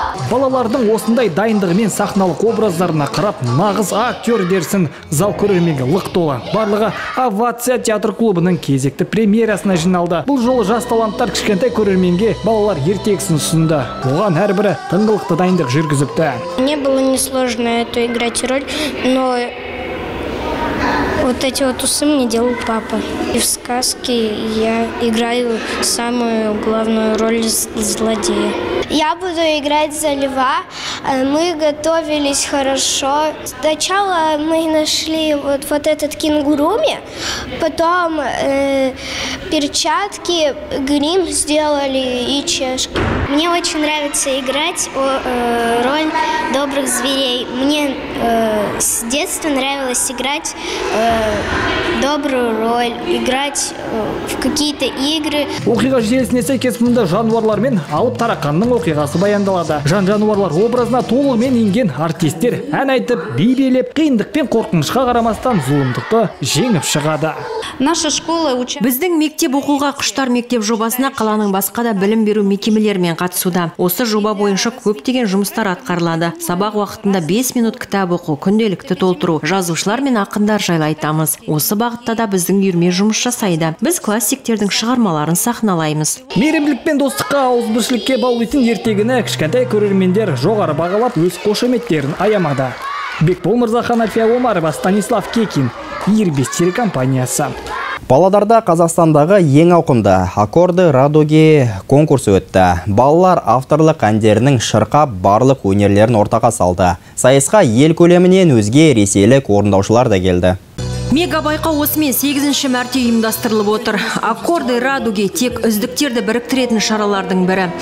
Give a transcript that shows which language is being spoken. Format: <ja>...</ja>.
<kk>Балалардың осындай дайындығымен сахналық образдарына қарап, нағыз актер дерсін зал көрерменге лық толы. Барлығы Овация театр клубының кезекті премьерасына жиналды. Бұл жолы жас таланттар кішкентай көрерменге балалар ертегісін ұсынды. Оған әрбірі тыңғылықты дайындық жүргізіпті.</kk> <ru>Не было несложно эту играть роль, но вот эти вот усы мне делал папа. И в сказке я играю самую главную роль злодея. Я буду играть за льва. Мы готовились хорошо. Сначала мы нашли вот этот кенгуруми, потом перчатки, грим сделали и чешки. Мне очень нравится играть роль добрых зверей. Мне с детства нравилось играть добрую роль, играть в какие-то игры.</ru> <kk>Оқиға желісіне сәйкес мұнда жануарлар мен алып тараканның оқиғасы баяндалады. Жан-жануарлар образына толығымен енген артистер ән айтып, би билеп, қиындық пен қорқынышқа қарамастан зұлымдықты жеңіп шығады. Біздің мектеп оқуға құштар мектеп жобасына қаланың басқа да білім беру мекемелерімен қатысуда. Осы жоба бойынша көптеген жұмыстар атқарылады. Сабақ уақытында 5 минут кітап оқу, күнделікті толтыру, жазушылар мен ақындар жайлы айтамыз. Осы бағытта да біздің үйірме жұмыс жасайды. Біз классиктердің шығармаларын сахналаймыз. Мейірімділік пен достыққа ауызбіршілікке баулитын ертегіні кішкентай көрермендер жоғары бағалап, өз қошеметтерін аямады. Бекбол Мырзахан, Альфия Омарова, Станислав Кекин, Ербис телекомпаниясы. Павлодарда Қазақстандағы ең ауқымды аккорды радуги конкурсы өтті. Балалар авторлық әндерінің шырқап барлық өнерлерін ортаға салды. Сайысқа ел көлемінен өзге ресейлік орындаушылар да келді. Мегабайқа осымен 8-ші мәрте ұйымдастырылып отыр. Аккорды радуги тек үздіктерді біріктіретін шаралардың бірі.</kk>